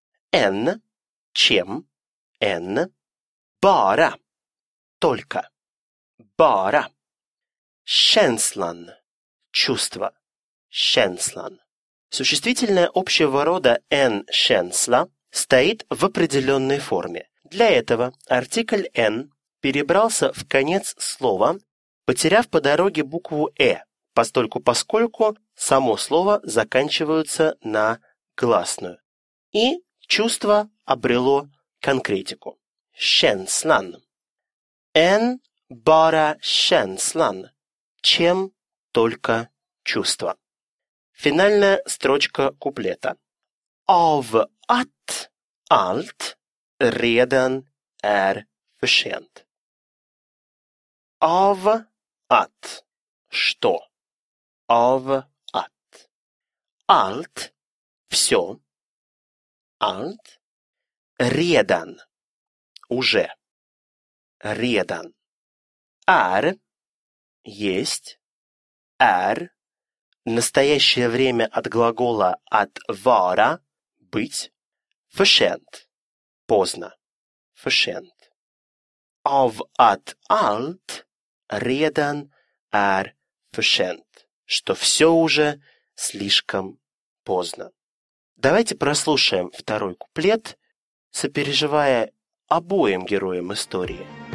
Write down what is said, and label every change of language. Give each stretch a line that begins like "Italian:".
Swedish: En, чем, en, bara, только, bara. Känslan, чувство, känslan.
Russian: Существительное общего рода en känsla стоит в определенной форме. Для этого артикль en перебрался в конец слова, потеряв по дороге букву «э», постольку-поскольку само слово заканчивается на гласную. И чувство обрело конкретику.
Swedish: Känslan. En bara känslan.
Russian: Чем только чувство. Финальная строчка куплета.
Swedish: Av att allt redan är för sent. Av att. Что? Av att. Allt. Все. Allt. Redan. Уже. Redan. Är. Есть. Är.
Russian: Настоящее время от глагола от vara.
Swedish: Быть. För sent. Поздно. För sent. Av att allt redan är för sent.
Russian: Что все уже слишком поздно. Давайте прослушаем второй куплет, сопереживая обоим героям истории.